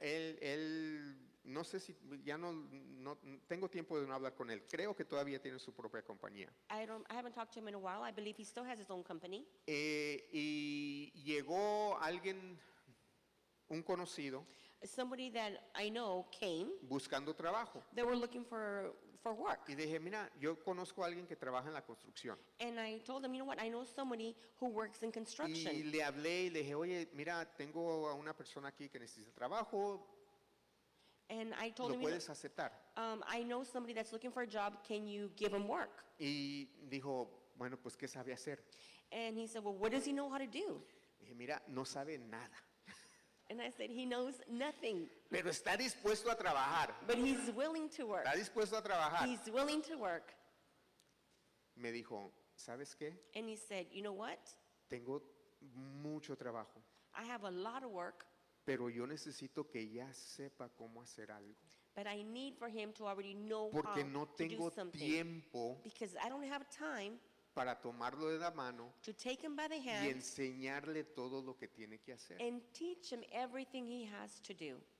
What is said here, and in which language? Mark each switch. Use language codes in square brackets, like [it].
[es] Él no sé si ya no tengo tiempo de no hablar con él. Creo que todavía tiene su propia compañía. [en] I haven't talked to him in a while. I believe he still has his own company. [es] Y llegó alguien, un conocido. [en] Somebody that I know came. [es] Buscando trabajo. [en] They were looking for work. [es] Y dije, mira, yo conozco a alguien que trabaja en la construcción. [en] And I told them, you know what, I know somebody who works in construction. [es] Y le hablé y le dije, oye, mira, tengo a una persona aquí que necesita trabajo. [en] And I told [es] ¿Lo [en] him, [es] puedes aceptar? [en] I know somebody that's looking for a job. Can you give him work? [es] Y dijo, bueno, pues, ¿qué sabe hacer? [en] And he said, well, what does he know how to do? [es] Dije, mira, no sabe nada. [en] And I said, he knows nothing. [es] Pero está dispuesto a trabajar. [en] But he's willing to work. [es] Está dispuesto a trabajar. [en] He's willing to work. [es] Me dijo, ¿sabes qué? [en] And he said, you know what? [es] Tengo mucho trabajo. [en] I have a lot of work. [es] Pero yo necesito que ya sepa cómo hacer algo. [en] But I need for him to already know [es] Porque [en] how [es] no tengo [en] to do something. [es] Tiempo [en] because I don't have time [es] para tomarlo de la mano [en] to take him by the hand [es] y enseñarle todo lo que tiene que hacer. [en] And teach him everything he has to do.